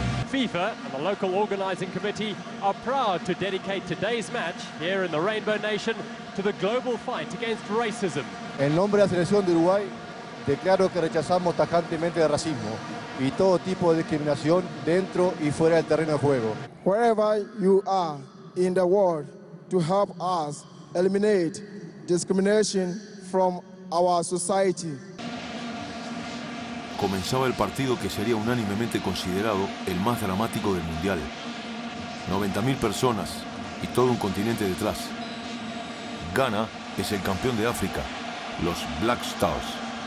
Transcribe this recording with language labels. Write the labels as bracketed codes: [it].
[en] FIFA and the local organizing committee are proud to dedicate today's match here in the Rainbow Nation to the global fight against racism. [es] En nombre de la selección de Uruguay, declaro que rechazamos tajantemente el racismo y todo tipo de discriminación dentro y fuera del terreno de juego. [en] Wherever you are in the world, to help us eliminate discrimination from our society. [es] Comenzaba el partido que sería unánimemente considerado el más dramático del Mundial. 90.000 personas y todo un continente detrás. Ghana es el campeón de África, los Black Stars.